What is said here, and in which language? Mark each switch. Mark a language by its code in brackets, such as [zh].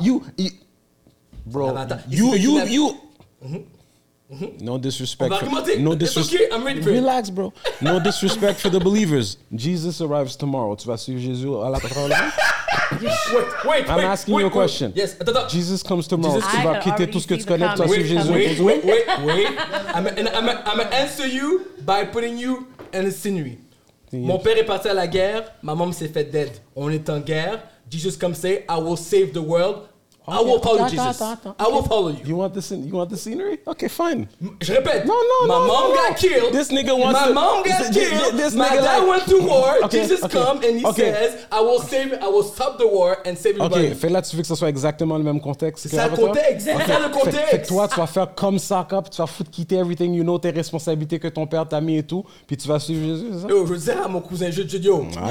[fr] Fait, [en] you. No disrespect. Relax, bro. No disrespect for the believers. Jesus arrives tomorrow. [fr] Tu vas suivre Jésus à la parole. [en] I'm asking you a question. Yes. [fr] Attends. [en] Jesus comes tomorrow. [fr] Tu vas quitter tout ce que tu connais. Tu vas suivre Jésus. [en] Wait. I'm gonna answer you by putting you in a scenery. [fr] Mon père est parti à la guerre. Ma mère s'est fait dead. On est en guerre. [en] Jesus comes say, I will save the world. Okay. I will follow Jesus. I will follow you. You want the scenery? Okay, fine. [fr] Je répète. [en] No. My mom got killed. This nigga wants my to... My mom got killed. This nigga my dad like... went to war. Okay. Jesus okay. come and he okay. says, I will stop the war and save everybody. [fr] Okay, fais là, tu veux que ce soit exactement le même contexte. C'est ça le contexte. Okay. C'est ça le contexte. Fait que toi, tu vas faire comme ça, cop. Tu vas foutre quitter [en] everything, you know, [fr] tes responsabilités que ton père t'a mis et tout. Puis tu vas suivre Jésus, c'est ça? Yo, je veux dire à mon cousin, je dis, yo.